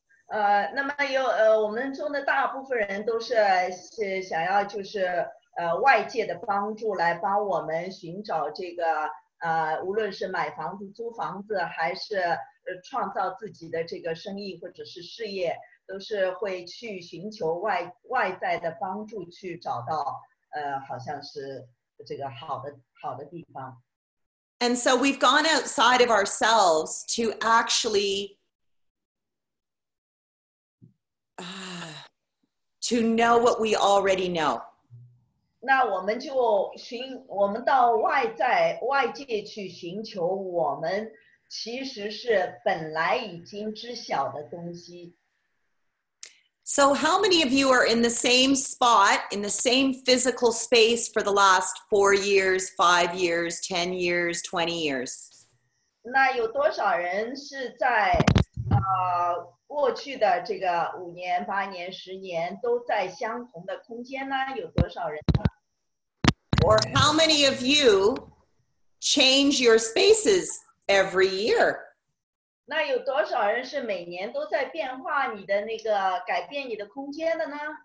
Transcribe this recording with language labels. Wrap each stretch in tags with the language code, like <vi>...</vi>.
<zh>那么有我们中的大部分人都是想要就是外界的帮助来帮我们寻找这个无论是买房子、租房子，还是创造自己的这个生意或者是事业，都是会去寻求外在的帮助，去找到好像是这个好的地方。</zh> <en>And so we've gone outside of ourselves to actually to know what we already know.</en> <zh>那我们就寻，我们到外在，外界去寻求我们其实是本来已经知晓的东西。</zh> <en>So how many of you are in the same spot, in the same physical space for the last 4 years, 5 years, 10 years, 20 years?</en> <zh>那有多少人是在过去的这个五年、八年、十年都在相同的空间呢？有多少人呢？</zh> <en>Or how many of you change your spaces every year?</en> <zh>那有多少人是每年都在变化你的那个改变你的空间的呢？</zh>